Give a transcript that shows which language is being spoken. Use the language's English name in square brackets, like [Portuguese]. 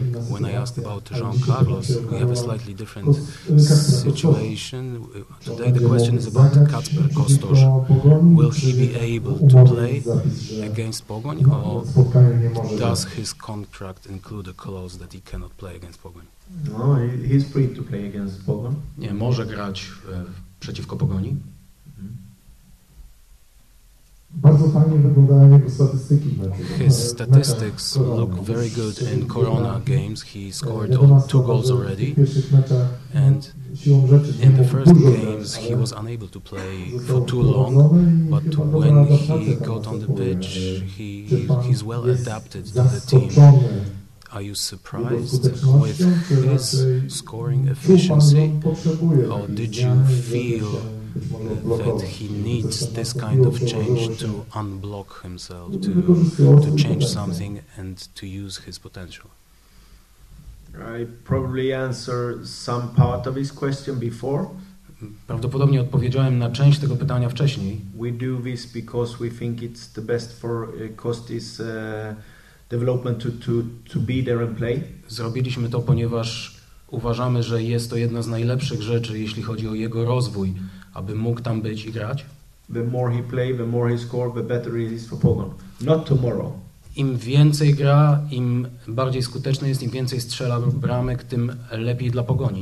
[English] When I asked about Jean Carlos, we have a slightly different situation. Today the question is about Kacper Kostosz. Will he be able to play against Pogoń, or does his contract include a clause that he cannot play against Pogoń? No, he's free to play against Pogoń. [Polish] Nie, może grać przeciwko Pogoni. Bardzo fajnie wyglądają jego statystyki. [English] His statistics look very good in Corona games. He scored two goals already. And in the first games he was unable to play for too long, but when he got on the pitch, he's well adapted to the team. Are you surprised with his scoring efficiency, or did you feel that he needs this kind of change to unblock himself, to change something and to use his potential? I probably answer some part of his question before. [Polish] Prawdopodobnie odpowiedziałem na część tego pytania wcześniej. [English] We do this because we think it's the best for Kostis development to be there and play. [Polish] Zrobiliśmy to, ponieważ uważamy, że jest to jedna z najlepszych rzeczy, jeśli chodzi o jego rozwój, aby mógł tam być i grać. [English] The more he play, the more he score, the better it is for Pogon. Not tomorrow. [Polish] Im więcej gra, im bardziej skuteczny jest, im więcej strzela bramek, tym lepiej dla Pogoni.